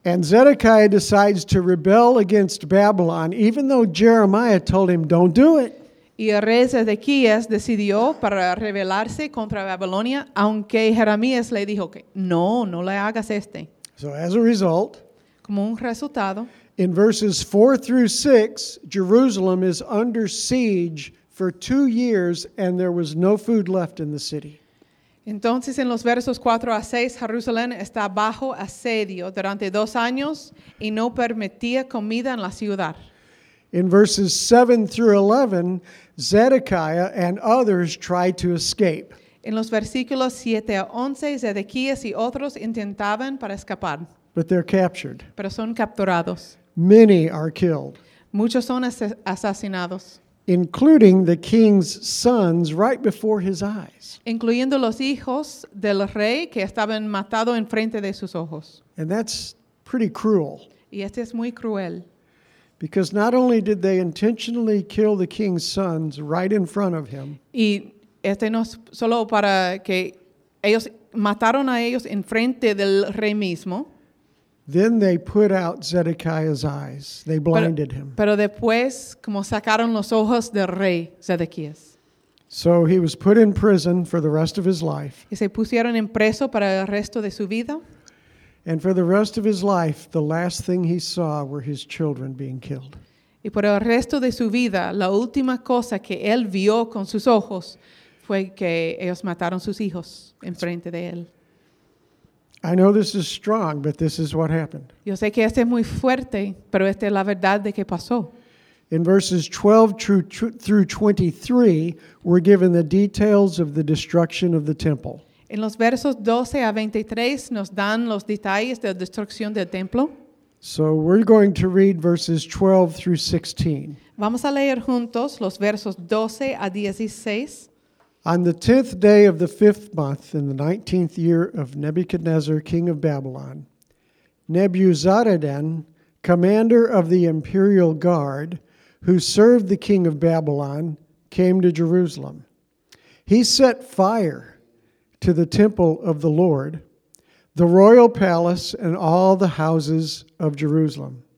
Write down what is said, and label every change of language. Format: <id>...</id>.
<en>And Zedekiah decides to rebel against Babylon, even though Jeremiah told him, don't do it.</en> <es>Y el rey Zedekías decidió para rebelarse contra Babilonia, aunque Jeremías le dijo que no, no le hagas este.</es> <en>So as a result,</en> <es>como un resultado,</es> <en>in verses 4 through 6, Jerusalem is under siege for 2 years and there was no food left in the city.</en> <es>Entonces en los versos 4 a 6, Jerusalén está bajo asedio durante 2 años y no permitía comida en la ciudad.</es> <en>In verses 7 through 11, Zedekiah and others try to escape.</en> <es>En los versículos 7 a 11, Zedekías y otros intentaban para escapar.</es> <en>But they're captured.</en> <es>Pero son capturados.</es> <en>Many are killed.</en> <es>Muchos son asesinados.</es> <en>Including the king's sons right before his eyes.</en> <es>Incluyendo los hijos del rey que estaban matados en frente de sus ojos.</es> <en>And that's pretty cruel.</en> <es>Y este es muy cruel.</es> <en>Because not only did they intentionally kill the king's sons right in front of him.</en> <es>Y este no es solo para que ellos mataron a ellos en frente del rey mismo.</es> <en>Then they put out Zedekiah's eyes. They blinded him.</en> <es>Pero después, como sacaron los ojos del rey Zedekías.</es> <en>So he was put in prison for the rest of his life.</en> <es>Y se pusieron en preso para el resto de su vida.</es> <en>And for the rest of his life, the last thing he saw were his children being killed.</en> <es>Y por el resto de su vida, la última cosa que él vio con sus ojos fue que ellos mataron sus hijos en frente de él.</es> <en>I know this is strong, but this is what happened.</en> <es>Yo sé que este es muy fuerte, pero esta es la verdad de que pasó.</es> <en>In verses 12 through 23, we're given the details of the destruction of the temple.</en> <es>En los versos 12 a 23 nos dan los detalles de la destrucción del templo.</es> <en>So we're going to read verses 12 through 16.</en> <es>Vamos a leer juntos los versos 12 a 16.</es> <en>On the 10th day of the 5th month in the 19th year of Nebuchadnezzar, king of Babylon, Nebuzaradan, commander of the imperial guard, who served the king of Babylon, came to Jerusalem. He set fire to the temple of the Lord, the royal palace, and all the houses of Jerusalem.</en>